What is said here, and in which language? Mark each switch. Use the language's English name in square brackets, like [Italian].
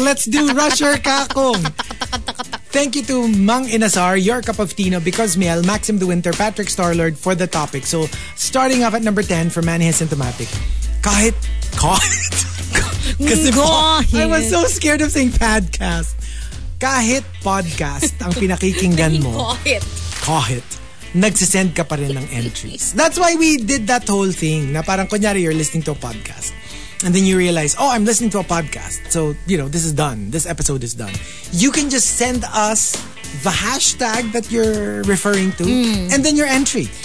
[English] Let's do Rusher Kakong. Thank you to Mang Inasar, Your Cup of Tino, Because Miel, Maxim the Winter, Patrick Starlord for the topic. So, starting off at number 10 for Manny Asymptomatic. Kahit. I was so scared of saying podcast. [Filipino] Kahit podcast ang pinakikinggan mo. Kahit. Nagsisend ka pa rin ng entries. [English] That's why we did that whole thing. [Filipino] Na parang kunyari [English] you're listening to a podcast. And then you realize, oh, I'm listening to a podcast. So, you know, this is done. This episode is done. You can just send us the hashtag that you're referring to and then your entry.